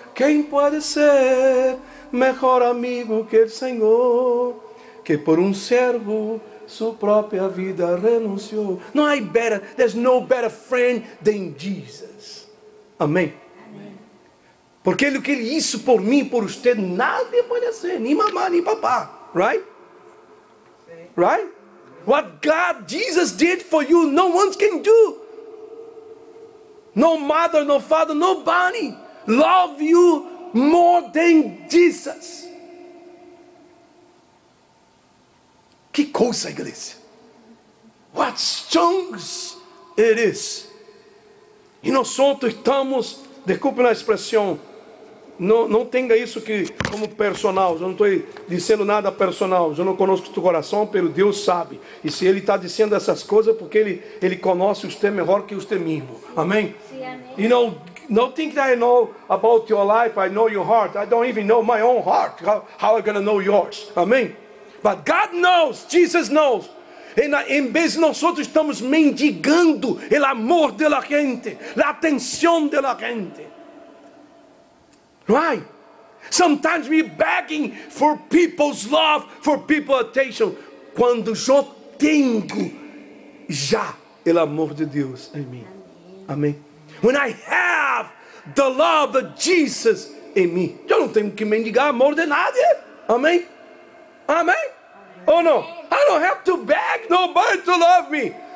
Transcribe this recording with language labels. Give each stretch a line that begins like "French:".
Portuguese: Quem pode ser melhor amigo que o Senhor, que por um servo sua própria vida renunciou? Não há
English: better, there's no better friend than Jesus. Amém?
Portuguese: Porque o que ele disse por mim, por você, nada pode ser, nem mamãe, nem papá.
English: Right? Right? What God, Jesus did for you, no one can do. No mother, no father, nobody love you more than Jesus.
Portuguese: Que coisa, igreja.
English: What strong it is.
Portuguese: E nós estamos, desculpe a expressão, não tenha isso que como personal. Eu não estou dizendo nada personal. Eu não conheço o teu coração, pelo Deus sabe. E se Ele está dizendo essas coisas, porque Ele conhece você melhor que você mesmo. Amém? Sim, amém.
English: You know, no thing that I know about your life, I know your heart. I don't even know my own heart. How I gonna know yours? Amém? But God knows, Jesus knows.
Portuguese: Em vez de nós estamos mendigando o amor da gente, a atenção da gente.
English: Right? Sometimes we begging for people's love, for people's attention.
Portuguese: Quando eu tenho já o amor de Deus em mim. Amém.
English: When I have the love of Jesus in me.
Portuguese: Eu não tenho que mendigar amor de nadie. Amém. Amém. Ou não?
English: I don't have to beg nobody to love me.